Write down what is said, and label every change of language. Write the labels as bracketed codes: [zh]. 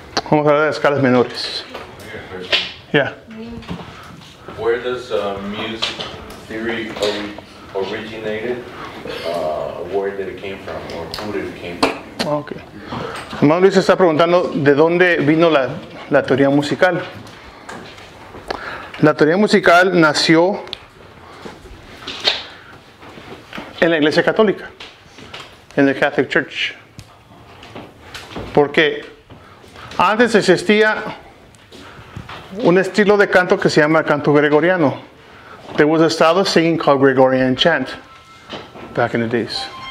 [es] Vamos a hablar de escalas menores. Yeah. [en] Where does music theory originate? Where did it came from, or who did it came from? Okay. [es] Luis está preguntando de dónde vino la teoría musical. La teoría musical nació en la Iglesia Católica, en la Catholic Church. Porque antes existía un estilo de canto que se llama canto gregoriano. [en] There was a style of singing called Gregorian chant back in the days.